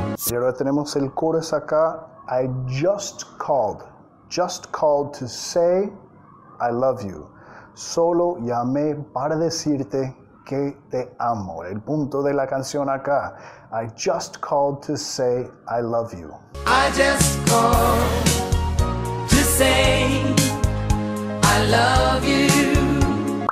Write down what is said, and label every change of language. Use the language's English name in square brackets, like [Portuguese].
[Spanish] Y ahora tenemos el coro acá. [English] I just called to say I love you. [Spanish] Solo llamé para decirte que te amo. El punto de la canción acá. [English] I just called to say I love you. I just called to say I love you.